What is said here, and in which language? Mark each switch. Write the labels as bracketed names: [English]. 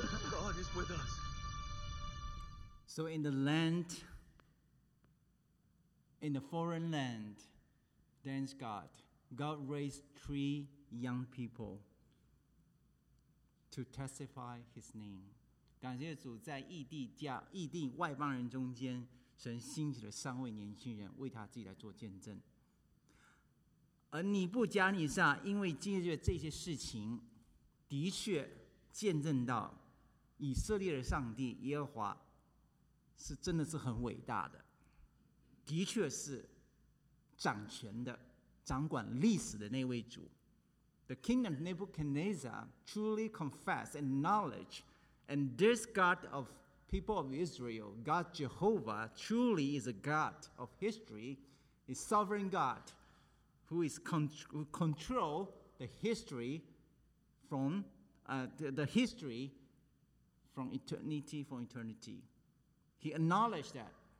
[English] God is with us. So in the land, in the foreign land, thanks God, God raised 3 young people to testify his name. [Chinese] 感谢主在异地外邦人中间 神兴起了三位年轻人为他自己来做见证，而尼布加尼撒因为经历了这些事情，的确见证到以色列的上帝耶和华是真的是很伟大的，的确是掌权的、掌管历史的那位主。 [English] The king of Nebuchadnezzar truly confessed and acknowledged, and this God of people of Israel, God Jehovah, truly is a God of history, a sovereign God who is who control the history from the history from eternity. He acknowledged that.